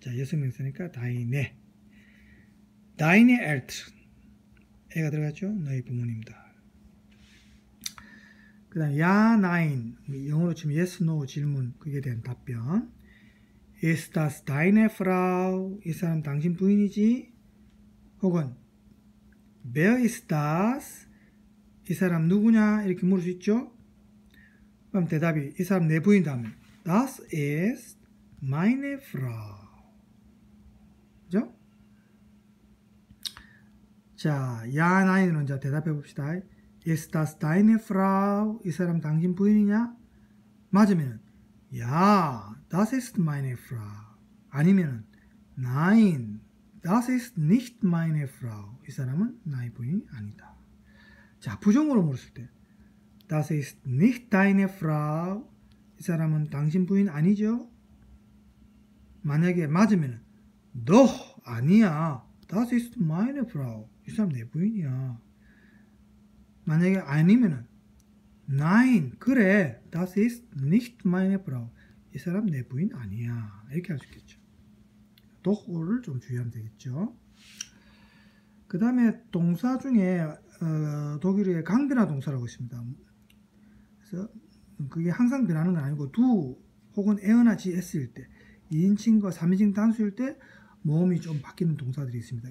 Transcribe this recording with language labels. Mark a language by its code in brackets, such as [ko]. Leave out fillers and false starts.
[ko] 자, 여성 명사니까 다이네. 다이네 알트, 애가 들어갔죠? 너의 부모님입니다. 그 다음, 야 나인, 영어로 치면 yes, no 질문, 그게 된 답변. [de] Ist das deine Frau? [ko] 이 사람 당신 부인이지? [de] 혹은 Wer ist das? [ko] 이 사람 누구냐? 이렇게 물을 수 있죠? 그럼 대답이 이 사람 내 부인 다음에 [de] Das ist meine Frau. [ko] 그죠? 자, 야 나인으로 이제 대답해 봅시다. [de] Ist das deine Frau? [ko] 이 사람 당신 부인이냐? 맞으면 [de] Ja, das ist meine Frau. [ko] 아니면은 [de] Nein, das ist nicht meine Frau. [ko] 이 사람은 나의 부인이 아니다. 자, 부정으로 물었을 때 [de] Das ist nicht deine Frau. [ko] 이 사람은 당신 부인 아니죠? 만약에 맞으면 Doch, 아니야. [de] Das ist meine Frau. [ko] 이 사람 내 부인이야. 만약에 아니면은 Nein, 그래. [de] Das ist nicht meine Frau. [ko] 이 사람 내 부인 아니야. 이렇게 할수 있겠죠. 도어를 좀 주의하면 되겠죠. 그 다음에 동사 중에 독일어의 강변화 동사라고 있습니다. 그래서 그게 항상 변하는 건 아니고 두 혹은 에어나 GS일 때 2인칭과 3인칭 단수일 때 모음이 좀 바뀌는 동사들이 있습니다.